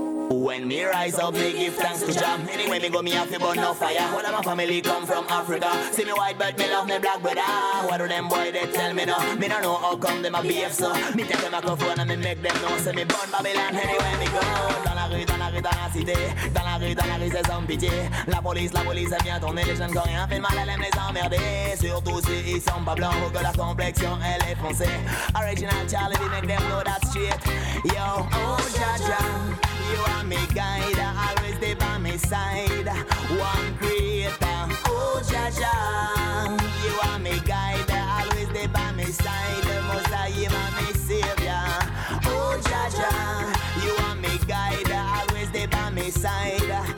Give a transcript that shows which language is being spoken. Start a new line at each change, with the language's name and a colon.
English: When me rise up, me give thanks to Jah. Anyway, me go me have to burn no fire. All of my family come from Africa. See me white bird, me love me black brother. What do them boy they tell me no? Me no know how come them a beef so. Me take a microphone and me make them know. Say me burn Babylon anyway me go.
French: Dans la cité, dans la rue c'est sans pitié. La police elle vient tourner. Les jeunes qui ont rien fait de mal, elle aime les emmerder. Surtout si ils sont pas blancs, que leur complexion elle est foncée.
English: Original Charlie, we make them know that shit. Yo, oh Jah Jah, you are my guide, always there by my side. One creator, oh Jah Jah, you are my guide, always there by my side. Most of you are my savior. Oh Jah Jah, you are my guide, always there by my side.